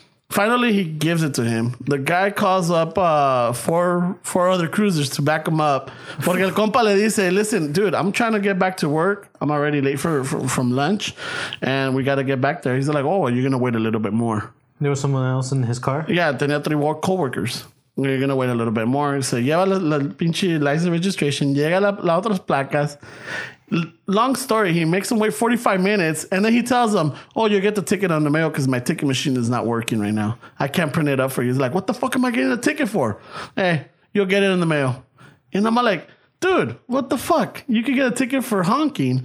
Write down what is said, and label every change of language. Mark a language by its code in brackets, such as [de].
[en] Finally, he gives it to him. The guy calls up four other cruisers to back him up. [es] Porque el compa le dice, [en] listen, dude, I'm trying to get back to work. I'm already late from lunch. And we got to get back there. He's like, oh, well, you're going to wait a little bit more. There was someone else in his car? Yeah, [es] tenía [en] three more co-workers. You're going to wait a little bit more. [es] So, lleva la pinche [en] license registration, [es] llega la otras placas. [en] Long story, he makes him wait 45 minutes, and then he tells him, oh, you get the ticket on the mail because my ticket machine is not working right now. I can't print it up for you. He's like, what the fuck am I getting a ticket for? Hey, you'll get it in the mail. And I'm like, dude, what the fuck? You could get a ticket for honking.